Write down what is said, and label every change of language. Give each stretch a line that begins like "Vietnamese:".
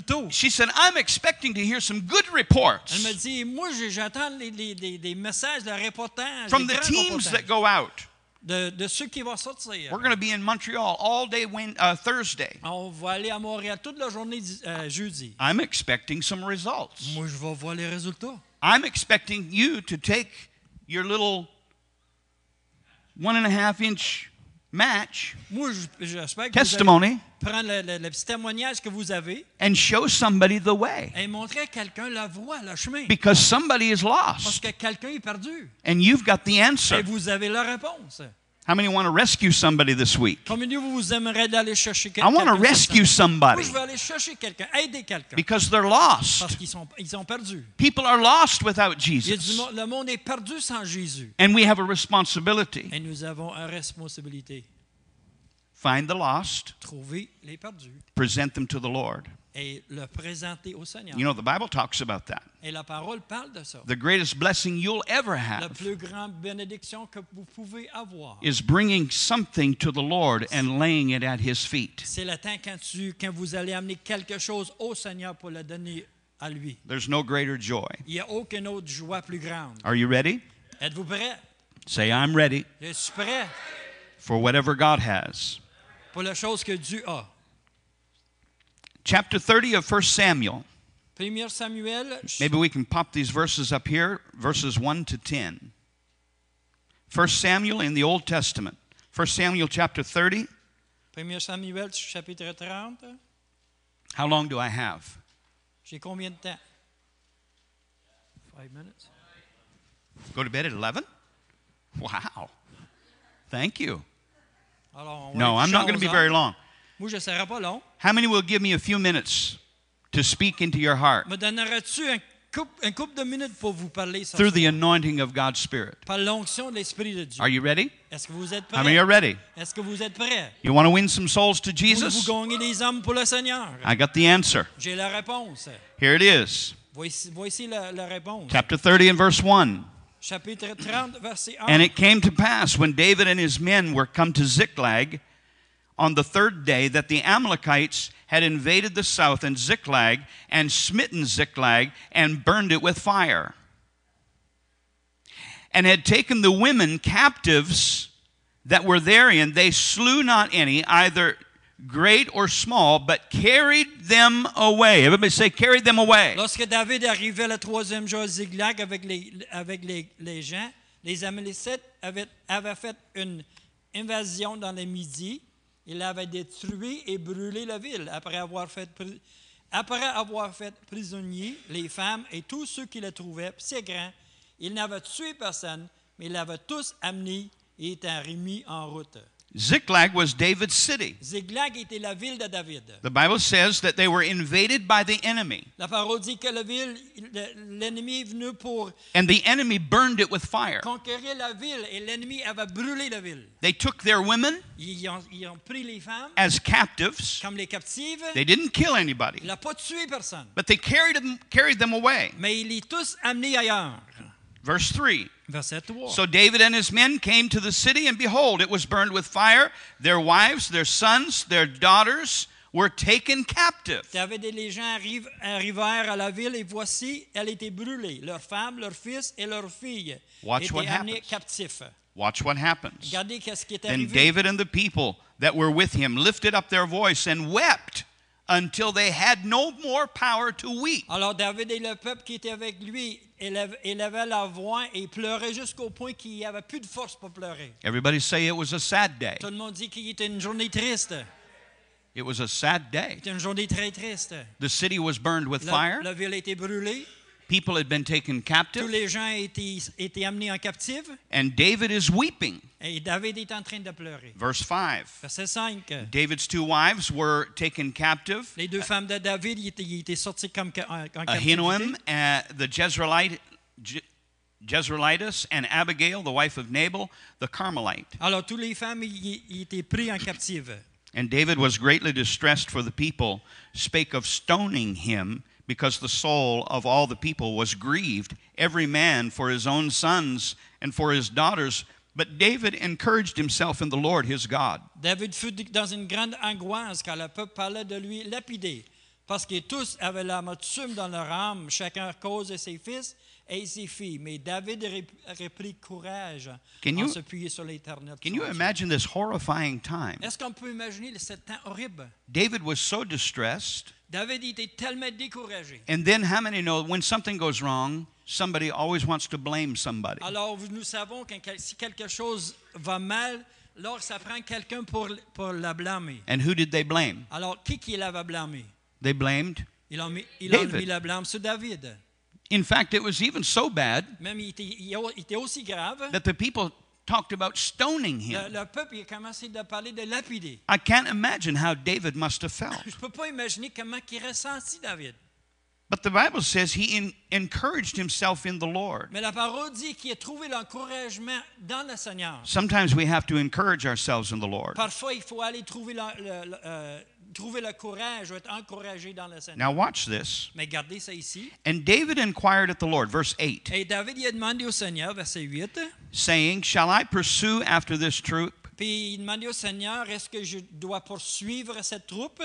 English: she said, I'm expecting to hear some good reports.
French: Elle me dit, moi, j'attends les messages, les reportages,
English: from the teams that go out.
French: De ceux qui vont sortir.
English: We're going to be in Montreal all day Thursday.
French: On va aller à Montréal toute la journée jeudi.
English: I'm expecting some results.
French: Moi, je vais voir les résultats.
English: I'm expecting you to take your little 1.5-inch match testimony.
French: Prendre le petit témoignage que vous avez
English: and show somebody the way.
French: Et montrer à quelqu'un la voie, le chemin.
English: Because somebody is lost.
French: Parce que quelqu'un est perdu.
English: And you've got the answer.
French: Et vous avez la réponse.
English: How many want to rescue somebody this week?
French: Combien de vous aimeriez d'aller chercher quelqu'un?
English: I want to rescue somebody.
French: Moi, je veux aller chercher quelqu'un, aider quelqu'un.
English: Because they're lost.
French: Parce qu'ils sont, ils ont perdu.
English: People are lost without Jesus.
French: Le monde est perdu sans Jésus.
English: And we have a responsibility.
French: Et nous avons une responsabilité.
English: Find the lost.
French: Trouver les perdus.
English: Present them to the Lord.
French: Et le présenter au Seigneur.
English: You know, the Bible talks about that.
French: Et la parole parle de ça.
English: The greatest blessing you'll ever have.
French: La plus grande bénédiction que vous pouvez avoir.
English: Is bringing something to the Lord and laying it at His feet.
French: C'est le temps quand vous allez amener quelque chose au Seigneur pour le donner à lui.
English: There's no greater joy.
French: Il n'y a aucune autre joie plus grande.
English: Are you ready?
French: Êtes-vous prêt?
English: Say, I'm ready.
French: Je suis prêt.
English: For whatever God has.
French: Pour la chose que Dieu a.
English: Chapter 30 of 1 Samuel.
French: Premier Samuel.
English: Maybe we can pop these verses up here. Verses 1 to 10. 1 Samuel in the Old Testament. 1 Samuel chapter 30.
French: Premier Samuel chapitre 30.
English: How long do I have?
French: J'ai combien de temps? 5 minutes.
English: Go to bed at 11? Wow. Thank you.
French: Alors,
English: no, I'm not going to be very long.
French: Moi, je serai pas long.
English: How many will give me a few minutes to speak into your heart?
French: Me donnerais-tu un couple de minutes pour vous parler ce
English: through
French: soir?
English: The anointing of God's Spirit.
French: Par l'onction de l'Esprit de Dieu.
English: Are you ready?
French: Est-ce que vous êtes prêt?
English: How many are ready?
French: Est-ce que vous êtes prêt?
English: You want to win some souls to Jesus?
French: Vous gagnez des âmes pour le Seigneur?
English: I got the answer.
French: J'ai la réponse.
English: Here it is.
French: Voici la réponse.
English: Chapter 30 and verse 1. And it came to pass, when David and his men were come to Ziklag, on the third day, that the Amalekites had invaded the south and Ziklag, and smitten Ziklag, and burned it with fire, and had taken the women captives that were therein. They slew not any, either great or small, but carried them away. Everybody say, carried them away.
French: Lorsque David arrivait le troisième jour à Ziklag avec les gens, les Amalécites avaient fait une invasion dans le midi. Ils avaient détruit et brûlé la ville après avoir fait prisonniers les femmes et tous ceux qui les trouvaient, ces grands. Ils n'avaient tué personne, mais ils l'avaient tous amené et étaient remis en route.
English: Ziklag was David's city.
French: Ziklag était la ville de David.
English: The Bible says that they were invaded by the enemy.
French: La parole dit que la ville, l'ennemi est venu pour.
English: And the enemy burned it with fire.
French: Conquérir la ville et l'ennemi avait brûlé la ville.
English: They took their women.
French: Ils ont pris les femmes.
English: As captives.
French: Comme les captives.
English: They didn't kill anybody.
French: Ils n'ont pas tué personne.
English: But they carried them away.
French: Mais ils les tous amenés ailleurs.
English: Verse 3.
French: Verset 3.
English: So David and his men came to the city, and behold, it was burned with fire. Their wives, their sons, their daughters were taken captive.
French: David et les gens arrivèrent à la ville, et voici, elle était brûlée. Leurs femmes, leurs fils et leurs filles étaient amenés captifs.
English: Watch what happens.
French: Regardez qu'est-ce qui est arrivé.
English: Then David and the people that were with him lifted up their voice and wept until they had no more power to weep.
French: Alors David et le peuple qui était avec lui élevaient la voix et pleuraient jusqu'au point qu'il n'y avait plus de force pour pleurer.
English: Everybody say it was a sad day.
French: Tout le monde dit qu'il était une journée triste.
English: It was a sad day.
French: C'était une journée très triste.
English: The city was burned with fire.
French: La ville était brûlée.
English: People had been taken captive.
French: Tous les gens étaient amenés en captive.
English: And David is weeping.
French: Et David est en train de pleurer.
English: Verse 5.
French: Verset 5.
English: David's two wives were taken captive.
French: Les deux femmes de David étaient sorties comme en captivité.
English: Ahinoam, the Jezreelite, Jezreelitess, and Abigail, the wife of Nabal, the Carmelite.
French: Alors, toutes les femmes y étaient prises en captive.
English: And David was greatly distressed, for the people spake of stoning him, because the soul of all the people was grieved, every man for his own sons and for his daughters. But David encouraged himself in the Lord his God.
French: David fut dans une grande angoisse quand le peuple parlait de lui lapidé, parce que tous avaient l'amertume dans leur âme, chacun à cause de ses fils et ses filles. Mais David reprit courage en s'appuyant sur l'Éternel.
English: Can you imagine this horrifying time?
French: Est-ce qu'on peut imaginer ce temps horrible?
English: David was so distressed.
French: David était tellement découragé.
English: And then how many know when something goes wrong, somebody always wants to blame somebody.
French: Alors nous savons que si quelque chose va mal, alors ça prend quelqu'un pour la blâmer.
English: And who did they blame?
French: Alors qui l'avait blâmé?
English: They blamed
French: David. Il a mis la blâme sur David.
English: In fact, it was even so bad
French: même il était aussi grave
English: that the people talked about stoning him.
French: Le peuple a commencé de parler de lapider.
English: I can't imagine how David must have felt.
French: Je peux pas imaginer comment il ressentit David.
English: But the Bible says he encouraged himself in the Lord.
French: Mais la parole dit qu'il a trouvé l'encouragement dans le Seigneur.
English: Sometimes we have to encourage ourselves in the Lord.
French: Parfois il faut aller trouver le courage ou être encouragé dans le Seigneur.
English: Now watch this.
French: Mais gardez ça ici.
English: And David inquired at the Lord, verse 8.
French: Et David y a demandé au Seigneur, verset 8.
English: Saying, shall I pursue after this troop?
French: Puis il demandait au Seigneur, est-ce que je dois poursuivre cette troupe?